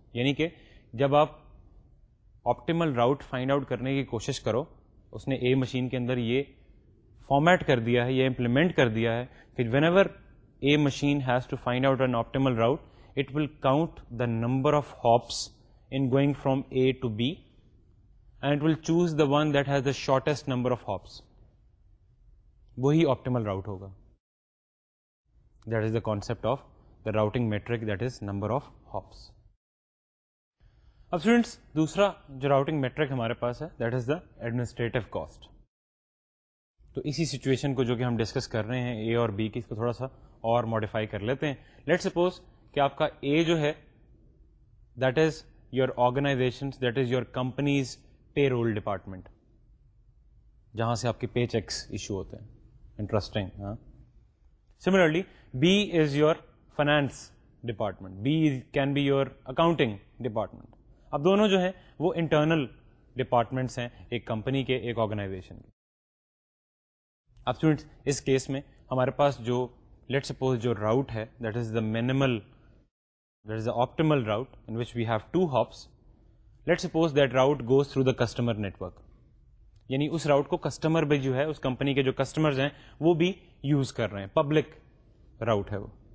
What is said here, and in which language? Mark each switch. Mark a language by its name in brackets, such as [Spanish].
[Urdu] یعنی کہ جب آپ آپٹیمل راؤٹ فائنڈ آؤٹ کرنے کی کوشش کرو, اس نے اے مشین کے اندر یہ فارمیٹ کر دیا ہے, یہ امپلیمنٹ کر دیا ہے کہ [English] Whenever a machine has to find out an optimal route, it will count the number of hops in going from A to B, and it will choose the one that has the shortest number of hops. [Urdu] وہی optimal route ہوگا. [English] That is the concept of the routing metric, that is number of hops. [Urdu] Ab students, dusra jo routing metric hamare paas hai, [English] that is the administrative cost. [Urdu] تو اسی situation کو جو کہ ہم discuss کر رہے ہیں اے اور بی کی اس کو تھوڑا سا اور ماڈیفائی کر لیتے ہیں. [English] let suppose [Urdu] کہ آپ کا اے جو ہے [English] that is your organization that is your company's payroll department [Urdu] جہاں سے آپ کے [English] Pay cheques issue ہوتے ہیں. Interesting. ہاں similarly B is your finance department, B can be your accounting department. [Urdu] اب دونوں جو ہیں وہ انٹرنل ڈپارٹمنٹس ہیں ایک کمپنی کے ایک آرگنائزیشن کے. اب اسٹوڈنٹس اس کیس میں ہمارے پاس جو لیٹ سپوز جو راؤٹ ہے [English] That is the minimal that is the optimal route in which we have two hops. Let suppose that route goes through the customer network. [Urdu] یعنی اس راؤٹ کو customer بھی جو ہے اس کمپنی کے جو کسٹمرز ہیں وہ بھی یوز کر رہے ہیں, پبلک راؤٹ ہے وہ.